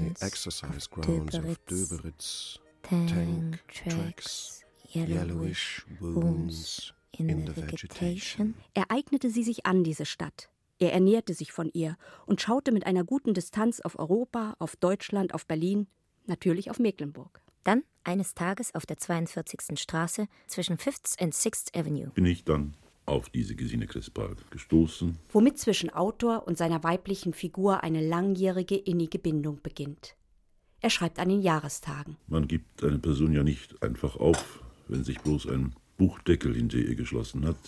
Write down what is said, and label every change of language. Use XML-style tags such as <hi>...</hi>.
<en>The army exercise grounds of Döberitz. Tank tracks. Yellowish wounds in the vegetation.</en> <de>Er eignete sie sich an, diese Stadt. Er ernährte sich von ihr und schaute mit einer guten Distanz auf Europa, auf Deutschland, auf Berlin, natürlich auf Mecklenburg. Dann, eines Tages auf der 42. Straße zwischen 5th and 6th Avenue. Bin ich dann auf diese Gesine Crispal gestoßen. Womit zwischen Autor und seiner weiblichen Figur eine langjährige innige Bindung beginnt. Er schreibt an den Jahrestagen. Man gibt eine Person ja nicht einfach auf, wenn sich bloß ein Buchdeckel hinter ihr geschlossen hat.</de>